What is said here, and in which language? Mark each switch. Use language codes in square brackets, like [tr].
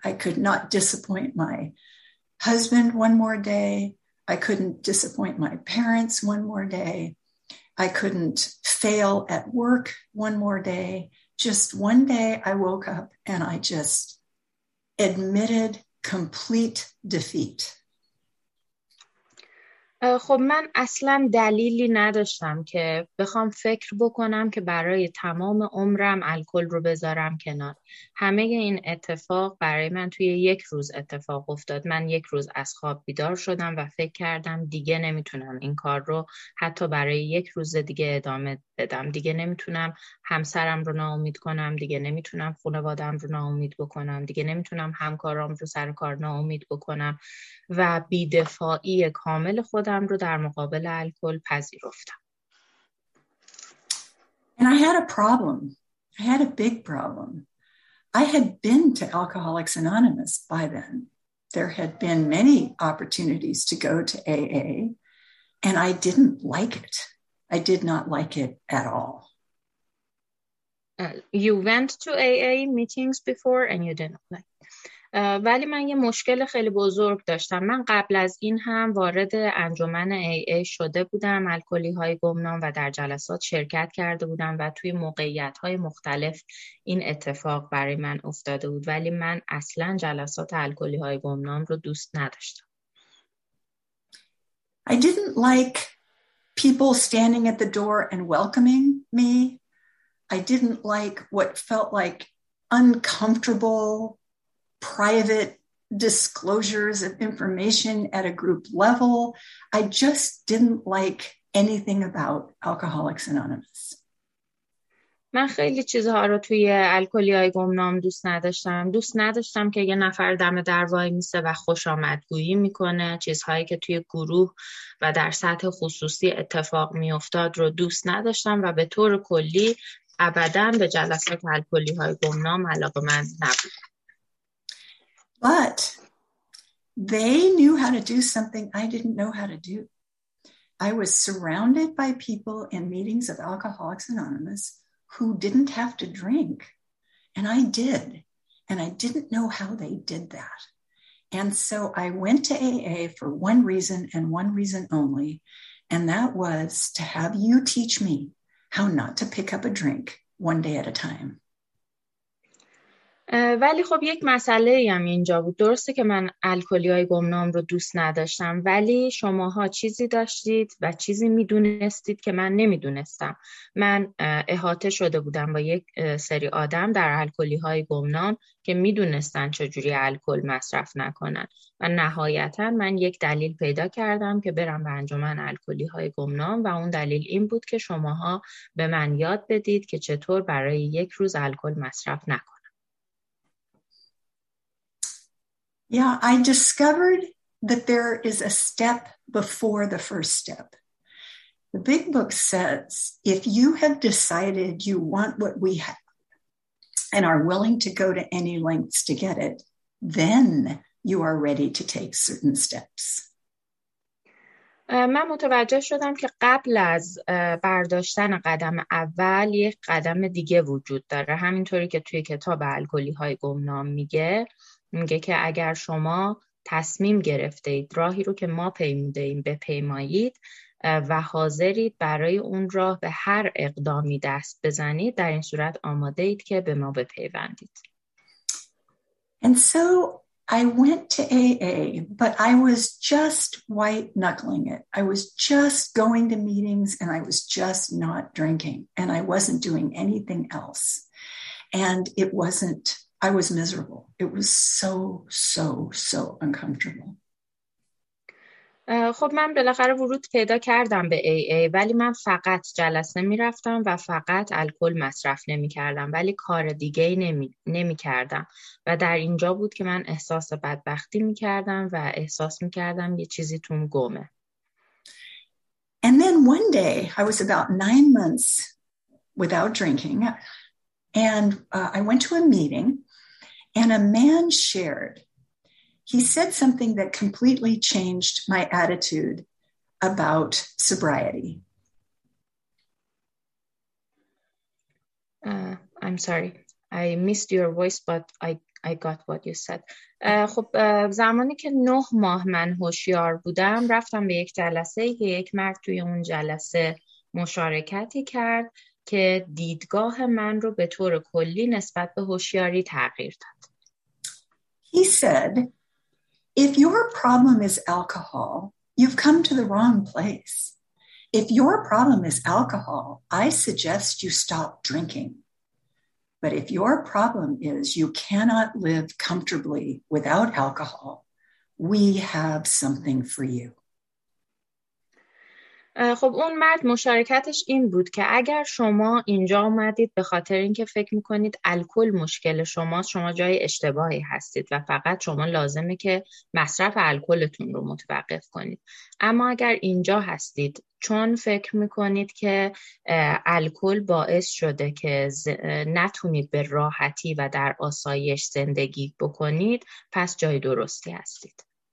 [en] I could not disappoint my husband one more day. I couldn't disappoint my parents one more day. I couldn't fail at work one more day. Just one day I woke up and I just admitted complete defeat. [fa] خب من اصلا دلیلی نداشتم که بخوام فکر بکنم که برای تمام عمرم الکل رو بذارم کنار. همه این اتفاق برای من توی یک روز اتفاق افتاد. من یک روز از خواب بیدار شدم و فکر کردم دیگه نمیتونم این کار رو حتی برای یک روز دیگه ادامه بدم. دیگه نمیتونم همسرم رو ناامید کنم. دیگه نمیتونم خانوادم رو ناامید بکنم. دیگه نمیتونم همکارام رو سر کار ناامید بکنم. و بی‌دفاعی کامل خودم رو در مقابل الکل پذیرفتم. [en] And I had a problem. I had a big problem. I had been to Alcoholics Anonymous by then. There had been many opportunities to go to AA, and I didn't like it. I did not like it at all. You went to AA meetings before and you didn't like it. [fa] ولی من یه مشکل خیلی بزرگ داشتم. من قبل از این هم وارد انجمن AA شده بودم، الکلی های گمنام، و در جلسات شرکت کرده بودم و توی موقعیت های مختلف این اتفاق برای من افتاده بود، ولی من اصلا جلسات الکلی های گمنام رو دوست نداشتم. [en] I didn't like people standing at the door and welcoming me. I didn't like what felt like uncomfortable private disclosures of information at a group level. I just didn't like anything about Alcoholics Anonymous. [fa] من خیلی چیزها رو توی الکلی های گمنام دوست نداشتم. دوست نداشتم که یه نفر دم در وای میسه و خوش آمدگویی میکنه. چیزهایی که توی گروه و در سطح خصوصی اتفاق میافتاد رو دوست نداشتم و به طور کلی ابدا به جلسات الکلی های گمنام علاقه من نبودم. [en] But they knew how to do something I didn't know how to do. I was surrounded by people in meetings of Alcoholics Anonymous who didn't have to drink, and I did, and I didn't know how they did that. And so I went to AA for one reason and one reason only, and that was to have you teach me how not to pick up a drink one day at a time. [fa] ولی خب یک مسئله هم اینجا بود. درسته که من الکلی های گمنام رو دوست نداشتم، ولی شماها چیزی داشتید و چیزی میدونستید که من نمیدونستم. من احاطه شده بودم با یک سری آدم در الکلی های گمنام که میدونستن چجوری الکل مصرف نکنن، و نهایتا من یک دلیل پیدا کردم که برم به انجمن الکلی های گمنام، و اون دلیل این بود که شماها به من یاد بدید که چطور برای یک روز الکل مصرف نکنم. [en] Yeah, I discovered that there is a step before the first step. The Big Book says, if you have decided you want what we have and are willing to go to any lengths to get it, then you are ready to take certain steps. [fa] من متوجه شدم که قبل از برداشتن قدم اول یک قدم دیگه وجود داره. همینطوری که توی کتاب الکلی های گمنام میگه، میگه که اگر شما تصمیم گرفته اید راهی رو که ما پیموده ایم بپیمایید و حاضرید برای اون راه به هر اقدامی دست بزنید، در این صورت آماده اید که به ما بپیوندید. [en] And so I went to AA, but I was just white knuckling it. I was just going to meetings and I was just not drinking and I wasn't doing anything else. And it wasn't, I was miserable. It was so uncomfortable. [fa] خب من بالاخره ورود پیدا کردم به AA، ولی من فقط جلسه می رفتم و فقط الکل مصرف نمی کردم، ولی کار دیگه نمی کردم، و در اینجا بود که من احساس بدبختی می کردم و احساس می کردم یه چیزی توم گمه. [en] And then one day I was about 9 months without drinking and I went to a meeting and a man shared. He said something that completely changed my attitude about sobriety. I'm sorry. I missed your voice, but I got what you said. [fa] خب زمانی که 9 ماه من هوشیار بودم، رفتم به یک جلسه که یک مرد توی اون جلسه مشارکتی کرد که دیدگاه من رو به طور کلی نسبت به هوشیاری تغییر داد. [en] He said, if your problem is alcohol, you've come to the wrong place. If your problem is alcohol, I suggest you stop drinking. But if your problem is you cannot live comfortably without alcohol, we have something for you. [fa] خب اون مرد مشارکتش این بود که اگر شما اینجا اومدید به خاطر اینکه فکر میکنید الکل مشکل شماست، شما جای اشتباهی هستید و فقط شما لازمه که مصرف الکلتون رو متوقف کنید. اما اگر اینجا هستید چون فکر میکنید که الکل باعث شده که نتونید به راحتی و در آسایش زندگی بکنید، پس جای درستی هستید.